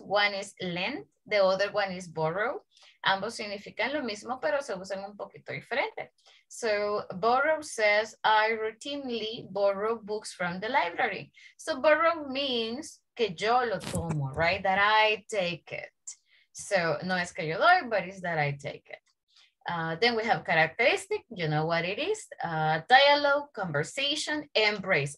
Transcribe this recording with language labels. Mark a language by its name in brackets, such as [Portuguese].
[English] One is lend, the other one is borrow. [Spanish] Ambos significan lo mismo, pero se usan un poquito diferente. [English] So borrow says, I routinely borrow books from the library. So borrow means [Spanish] que yo lo tomo, [English] right? That I take it. So [Spanish] no es que yo doy, [English] but it's that I take it. Then we have characteristic, you know what it is, dialogue, conversation, embrace.